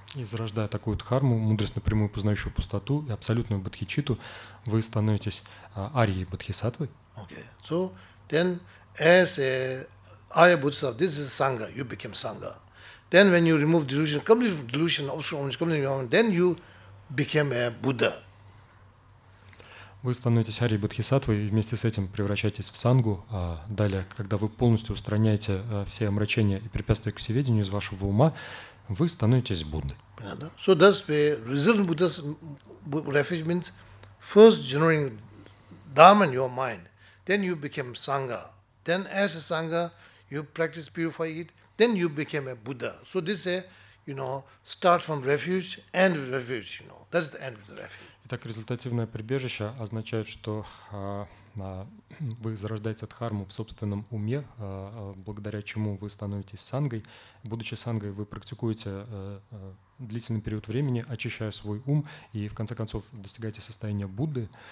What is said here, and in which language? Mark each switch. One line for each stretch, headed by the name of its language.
Russian: Изрождая такую дхарму, мудрость напрямую познающую пустоту и абсолютную бодхичитту, вы становитесь арьей бодхисаттвой. Okay.
English: So then, as a Arya bodhisattva, this is sangha. You became sangha. Then, when you remove delusion, complete delusion, obscure omniscience, complete enlightenment, then you became a Buddha.
Russian: Вы становитесь арьей бодхисаттвой и вместе с этим превращаетесь в сангу. Далее, когда вы полностью устраняете все омрачения и препятствия к всеведению из вашего ума, вы становитесь Буддой.
English: So that's the resilient Buddha's refuge means first generating dharma in your mind, then you became sangha, then as a sangha you practice purify it, then you became a Buddha. So this is a, you know, start from refuge, end of refuge, you know, that's the end of the refuge.
Russian: Итак, результативное прибежище означает, что вы зарождаете дхарму в собственном уме, благодаря чему вы становитесь сангой. Будучи сангой, вы практикуете длительный период времени, очищая свой ум, и в конце концов достигаете состояния Будды.